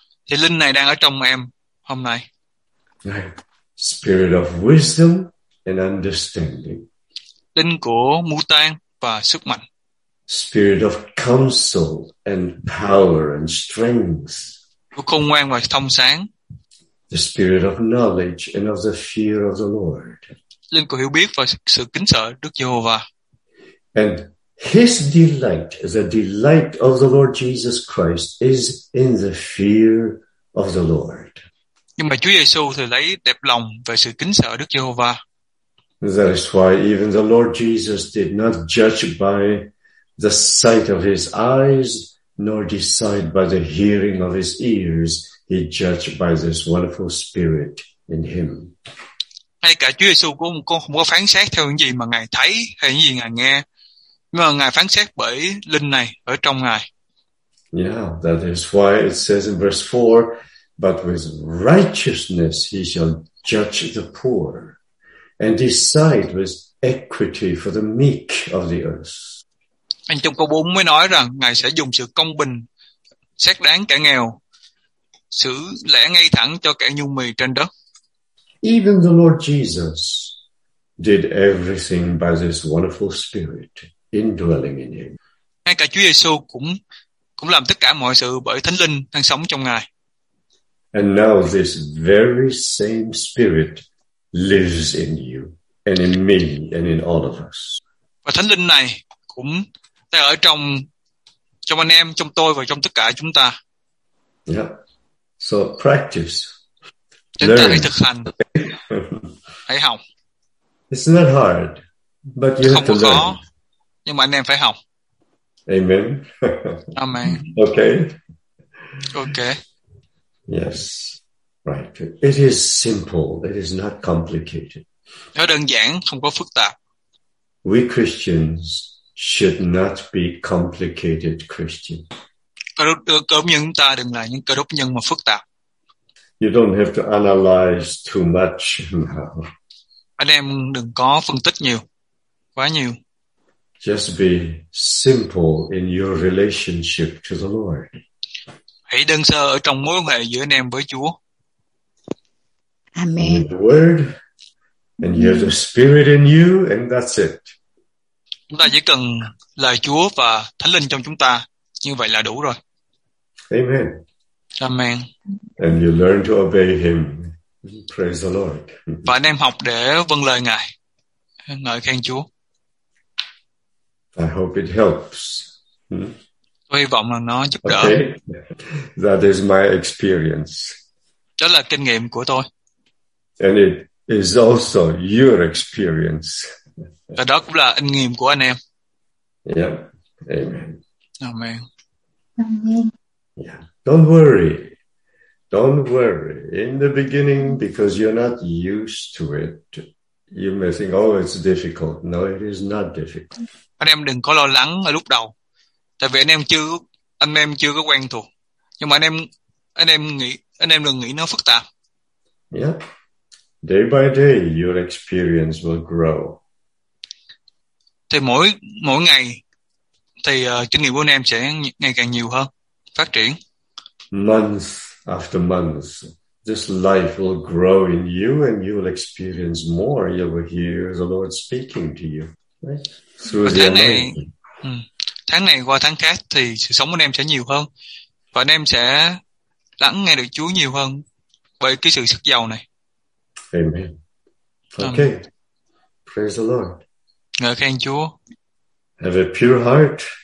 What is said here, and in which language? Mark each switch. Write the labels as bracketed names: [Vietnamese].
[Vietnamese] Thì linh này đang ở trong em hôm nay. [English] Spirit of wisdom and understanding. [Vietnamese] Linh của mưu toan. Và sức mạnh. [English] Spirit of counsel and power and strength. [Vietnamese] Của khôn ngoan và thông sáng. [English] The spirit of knowledge and of the fear of the Lord. [Vietnamese] Linh của hiểu biết và sự kính sợ Đức Giê-hô-va. [English] And his delight, the delight of the Lord Jesus Christ, is in the fear of the Lord. [Vietnamese] Nhưng mà Chúa Giê-xu thì lấy đẹp lòng về sự kính sợ Đức Giê-hô-va. [English] That is why even the Lord Jesus did not judge by the sight of his eyes, nor decide by the hearing of his ears. He judged by this wonderful spirit in him. [Vietnamese] Ngay cả Chúa Giêsu cũng không có phán xét theo những gì mà Ngài thấy hay những gì Ngài nghe, nhưng mà Ngài phán xét bởi linh này ở trong Ngài. [English] Yeah, that is why it says in verse 4, but with righteousness he shall judge the poor. And decide with equity for the meek of the earth. [Vietnamese] Anh trong câu 4 mới nói rằng Ngài sẽ dùng sự công bình xét đáng kẻ nghèo, xử lẽ ngay thẳng cho kẻ nhu mì trên đất. [English] Even the Lord Jesus did everything by this wonderful spirit indwelling in him. [Vietnamese] Ngay cả Chúa Giêsu cũng làm tất cả mọi sự bởi Thánh Linh đang sống trong Ngài. [English] And now this very same spirit lives in you and in me and in all of us. [Vietnamese] Và Thánh Linh này cũng đang ở trong anh em, trong tôi và trong tất cả chúng ta. [English] Yeah. So practice. [Vietnamese] Chúng ta hãy thực hành. Hãy học. [English] It's not hard, but you [Vietnamese] không [English] have to [Vietnamese] khó, [English] learn. [Vietnamese] Nhưng mà anh em phải học. [English] Amen. Amen. Okay. Okay. Yes. Right. It is simple. It is not complicated. [Vietnamese] Nó đơn giản, không có phức tạp. [English] We Christians should not be complicated Christians. [Vietnamese] Cơ đốc nhân chúng ta đừng là những cơ đốc nhân mà phức tạp. [English] You don't have to analyze too much now. [Vietnamese] Anh em đừng có phân tích nhiều, quá nhiều. [English] Just be simple in your relationship to the Lord. [Vietnamese] Hãy đơn sơ ở trong mối quan hệ giữa anh em với Chúa. [English] Amen. You have the word, and you have the spirit in you, and that's it. [Vietnamese] Chúng ta chỉ cần lời Chúa và Thánh Linh trong chúng ta, như vậy là đủ rồi. [English] Amen. Amen. And you learn to obey him. Praise the Lord. [Vietnamese] Và anh em học để vâng lời Ngài. Ngợi khen Chúa. [English] I hope it helps. [Vietnamese] Tôi hy vọng là nó giúp [English] đỡ. That is my experience. [Vietnamese] Đó là kinh nghiệm của tôi. [English] And it is also your experience. [Vietnamese] Và đó cũng là kinh nghiệm của anh em. [English] Yeah. Amen. Amen. Amen. Yeah. Don't worry. Don't worry. In the beginning, because you're not used to it, you may think, oh, it's difficult. No, it is not difficult. [Vietnamese] Anh em đừng có lo lắng ở lúc đầu. Tại vì anh em chưa có quen thuộc. Nhưng mà anh em đừng nghĩ nó phức tạp. [English] Yeah. Day by day, your experience will grow. [Vietnamese] Thì mỗi ngày thì kinh nghiệm của anh em sẽ ngày càng nhiều hơn, phát triển. [English] Month after month, this life will grow in you and you'll experience more. You will hear the Lord speaking to you. Right? Through the anointing. [Vietnamese] Tháng này qua tháng khác thì sự sống của anh em sẽ nhiều hơn và anh em sẽ lắng nghe được Chúa nhiều hơn bởi cái sự sức giàu này. [English] Amen. Okay. Praise the Lord. [Vietnamese] Ngợi khen Chúa. [English] Have a pure heart.